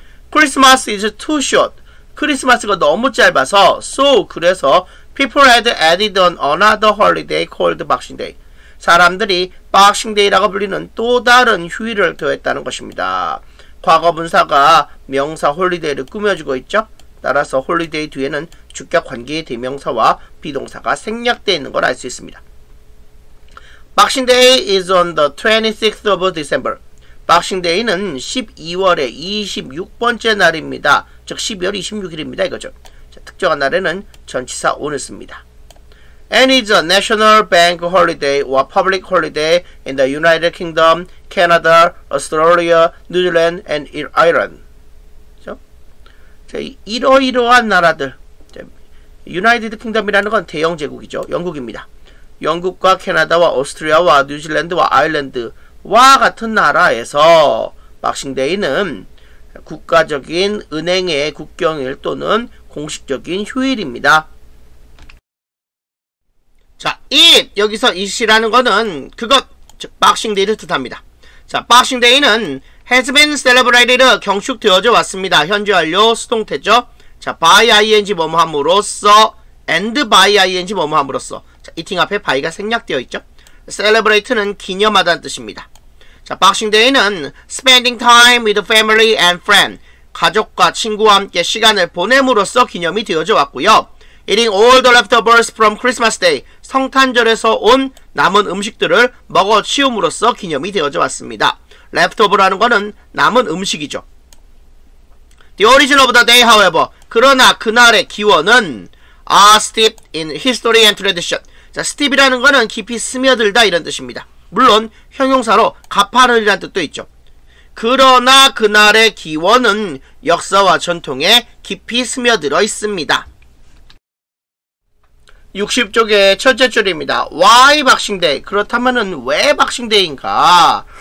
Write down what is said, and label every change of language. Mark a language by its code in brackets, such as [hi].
[en] Christmas is too short. [ko] 크리스마스가 너무 짧아서, [en] so, [ko] 그래서 [en] people had added on another holiday called Boxing Day. [ko] 사람들이 Boxing Day라고 불리는 또 다른 휴일을 더했다는 것입니다. 과거분사가 명사 홀리데이를 꾸며주고 있죠. 따라서 홀리데이 뒤에는 주격 관계의 대명사와 비동사가 생략되어 있는 걸 알 수 있습니다. [en] Boxing Day is on the 26th of December. [ko] Boxing Day는 12월의 26번째 날입니다. 즉 12월 26일입니다. 이거죠. 자, 특정한 날에는 전치사 오늘 씁니다. [en] And is a national bank holiday or public holiday in the United Kingdom, Canada, Australia, New Zealand, and Ireland. [ko] 자, 이러이러한 나라들, 유나이티드 킹덤이라는 건 대영제국이죠. 영국입니다. 영국과 캐나다와 오스트리아와 뉴질랜드와 아일랜드와 같은 나라에서 박싱데이는 국가적인 은행의 국경일 또는 공식적인 휴일입니다. 자, it, 여기서 it이라는 거는 그것, 즉 박싱데이를 뜻합니다. 자, 박싱데이는 [en] has been celebrated, [ko] 경축되어져 왔습니다. 현재 완료, 수동태죠. 자, by ing 뭐뭐함으로써, and by ing 뭐뭐함으로써. 자, eating 앞에 by가 생략되어 있죠. celebrate는 기념하다는 뜻입니다. [en] 자, Boxing Day는 spending time with family and friend. [ko] 가족과 친구와 함께 시간을 보냄으로써 기념이 되어져 왔고요. [en] eating all the leftovers from Christmas Day. [ko] 성탄절에서 온 남은 음식들을 먹어 치움으로써 기념이 되어져 왔습니다. leftover라는 거는 남은 음식이죠. [en] The origin of the day, however, [ko] 그러나 그날의 기원은 [en] are steeped in history and tradition. [ko] 자, steep이라는 거는 깊이 스며들다 이런 뜻입니다. 물론 형용사로 가파르이라는 뜻도 있죠. 그러나 그날의 기원은 역사와 전통에 깊이 스며들어 있습니다. 60쪽의 첫째 줄입니다. [en] Why Boxing Day? [ko] 그렇다면은 왜 Boxing Day인가?